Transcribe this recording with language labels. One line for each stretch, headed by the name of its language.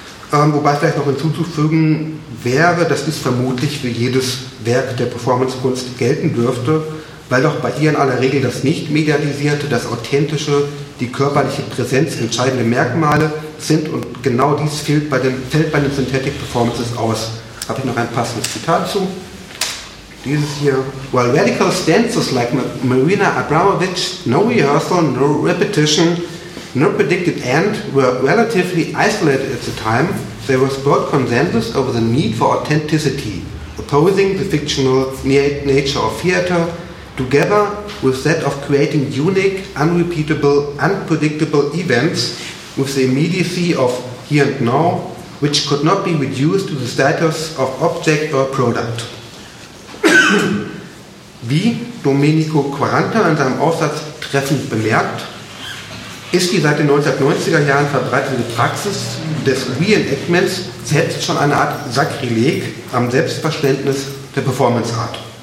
German: Wobei vielleicht noch hinzuzufügen wäre, dass dies vermutlich für jedes Werk der Performance-Kunst gelten dürfte, weil doch bei ihr in aller Regel das nicht medialisierte, das authentische, die körperliche Präsenz entscheidende Merkmale sind und genau dies fällt bei den Synthetic Performances aus. Habe ich noch ein passendes Zitat zu? Dieses hier.
English: While radical stances like Marina Abramovic, no rehearsal, no repetition, no predicted end were relatively isolated at the time, there was broad consensus over the need for authenticity, opposing the fictional nature of theater, together with that of creating unique, unrepeatable, unpredictable events with the immediacy of here and now, which could not be reduced to the status of object or product.
German: Wie Domenico Quaranta in seinem Aufsatz treffend bemerkt, ist die seit den 1990er Jahren verbreitete Praxis des Reenactments selbst schon eine Art Sakrileg am Selbstverständnis der Performance Art.